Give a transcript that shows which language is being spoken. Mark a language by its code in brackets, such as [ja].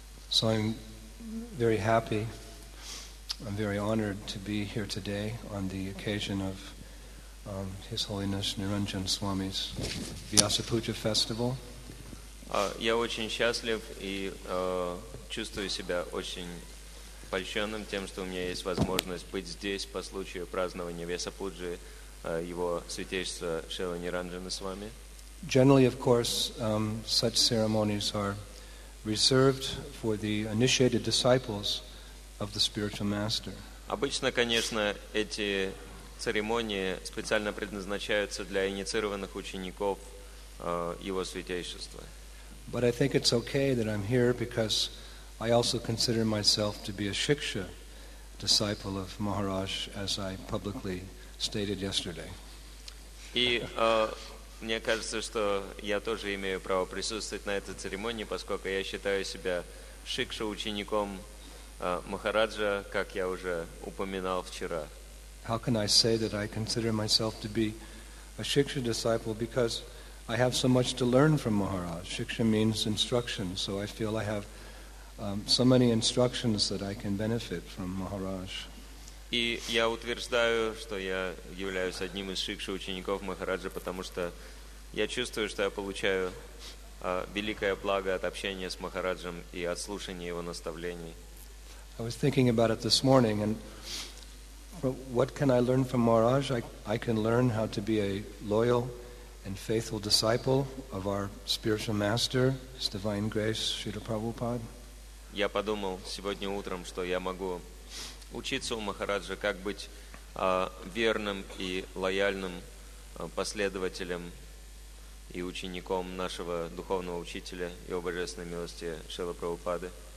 [en] So I'm very happy, I'm very honored to be here today on the occasion of His Holiness Niranjan Swami's Vyasa Puja Festival. [ru] Я очень счастлив и чувствую себя очень польщенным тем, что у меня есть возможность быть здесь по случаю празднования Вьясапуджи его святейшества Шрилы Ниранджана с вами. [en] Generally, of course, such ceremonies are reserved for the initiated disciples of the spiritual master. [ru] Обычно, конечно, эти церемонии специально предназначаются для инициированных учеников его святейшества. [en] But I think it's okay that I'm here because I also consider myself to be a Shiksha disciple of Maharaj, as I publicly stated yesterday. [ru] И мне кажется, что я тоже имею право присутствовать на этой церемонии, поскольку я считаю себя Шикша учеником Махараджа, как я уже упоминал вчера. [en] How can I say that I consider myself to be a Shiksha disciple? Because I have so much to learn from Maharaj. Shiksha means instruction, so I feel I have so many instructions that I can benefit from Maharaj. [ru] И я утверждаю, что я являюсь одним из шикши учеников Махараджа, потому что я чувствую, что я получаю великое благо от общения с Махараджем и от слушания его наставлений. [en] I was thinking about it this morning, and what can I learn from Maharaj? I can learn how to be a loyal and faithful disciple of our spiritual master, His Divine Grace, Srila Prabhupada. [ru] Я подумал сегодня утром, что я могу учиться у Махараджа, как быть верным и лояльным последователем и учеником нашего духовного учителя и его божественной милости Шрилы Прабхупады.